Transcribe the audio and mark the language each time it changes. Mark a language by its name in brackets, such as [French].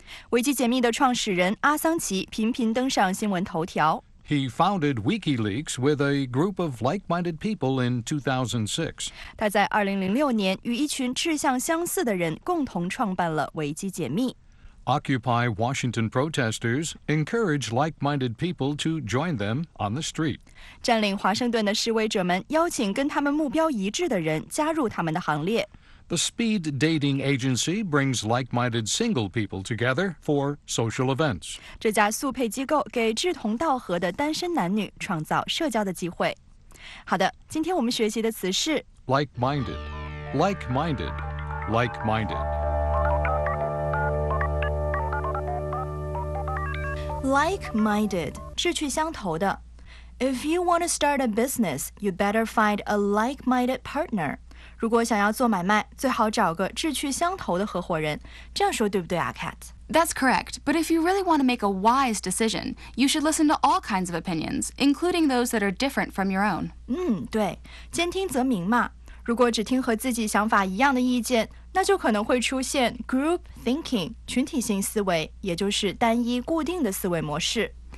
[Chinese] 维基解密的创始人阿桑奇频频登上新闻头条。 [English] He founded WikiLeaks with a group of like-minded people in 2006. [Chinese] 他在2006年与一群志向相似的人共同创办了维基解密。 [English] Occupy Washington protesters encourage like-minded people to join them on the street. [Chinese] 占领华盛顿的示威者们邀请跟他们目标一致的人加入他们的行列。 [English] The speed dating agency brings like-minded single people together for social events. [Chinese] 这家速配机构给志同道合的单身男女创造社交的机会。好的，今天我们学习的词是 [English] like-minded, like-minded, like-minded. [Chinese] Like-minded, 志趣相投的。 [English] If you want to start a business, you better find a like-minded partner. [Chinese] 如果想要做买卖，最好找个志趣相投的合伙人。这样说对不对啊 ，Kat? [English] That's correct. But if you really want to make a wise decision, you should listen to all kinds of opinions, including those that are different from your own. [Chinese] 对，兼听则明嘛。如果只听和自己想法一样的意见，那就可能会出现 group thinking, 群体性思维，也就是单一固定的思维模式。